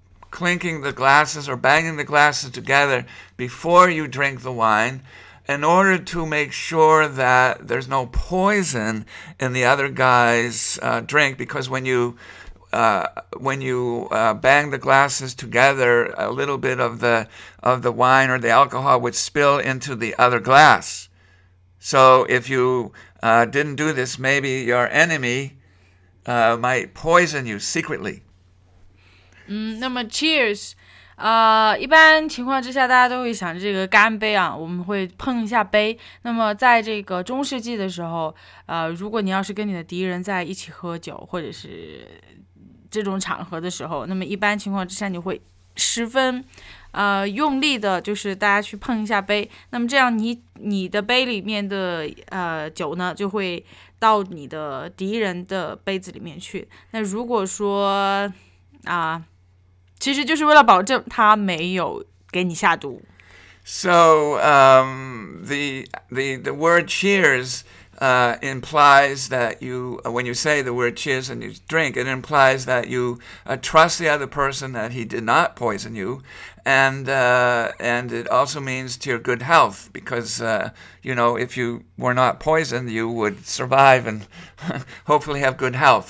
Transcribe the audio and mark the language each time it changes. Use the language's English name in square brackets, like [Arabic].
[English] clinking the glasses or banging the glasses together before you drink the wine in order to make sure that there's no poison in the other guy's drink, because when you bang the glasses together, a little bit of the wine or the alcohol would spill into the other glass. So if you didn't do this, maybe your enemy might poison you secretly. [Chinese] 那么 cheers 一般情况之下大家都会想这个干杯啊，我们会碰一下杯。那么在这个中世纪的时候，如果你要是跟你的敌人在一起喝酒或者是这种场合的时候，那么一般情况之下你会十分用力的，就是大家去碰一下杯，那么这样你的杯里面的酒呢就会到你的敌人的杯子里面去。那如果说其实就是为了保证他没有给你下毒。 [English] So, the word cheers, implies that you, when you say the word cheers and you drink, it implies that you trust the other person that he did not poison you. And it also means to your good health, because, you know, if you were not poisoned, you would survive and hopefully have good health.